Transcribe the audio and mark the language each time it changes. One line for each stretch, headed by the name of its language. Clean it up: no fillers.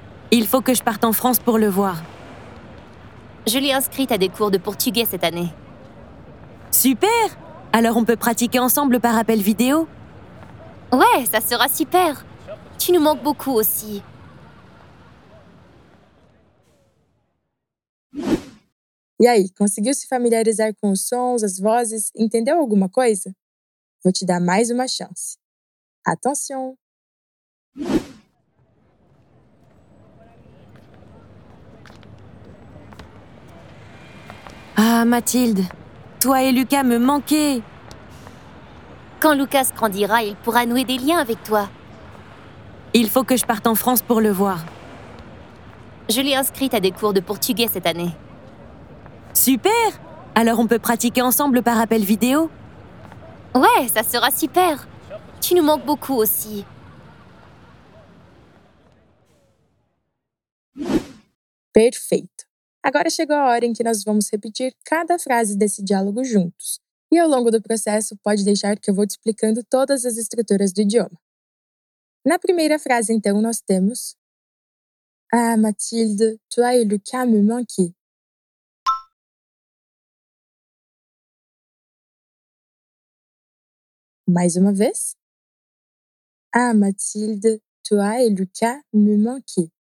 French: Il faut que je parte en France pour le voir. Je l'ai inscrite à des cours de portugais cette année. Super! Alors on peut pratiquer ensemble par appel vidéo? Ouais, ça sera super! Tu nous manques beaucoup aussi.
Portuguese: E aí, conseguiu se familiarizar com os sons, as vozes, entendeu alguma coisa? Vou te dar mais uma chance.
French: Attention! Ah, Mathilde, toi et Lucas me manquaient. Quand Lucas grandira, il pourra nouer des liens avec toi. Il faut que je parte en France pour le voir. Je l'ai inscrite à des cours de portugais cette année. Super! Alors on peut pratiquer ensemble par appel vidéo? Ouais, ça sera super. Tu nous manques beaucoup aussi.
Portuguese: Perfeito. Agora chegou a hora em que nós vamos repetir cada frase desse diálogo juntos. E ao longo do processo, pode deixar que eu vou te explicando todas as estruturas do idioma. Na primeira frase, então, nós temos...
French: Ah, Mathilde, toi et Lucas me manquaient.
Portuguese: Mais uma vez.
French: Ah, Mathilde, toi et Lucas me manquaient.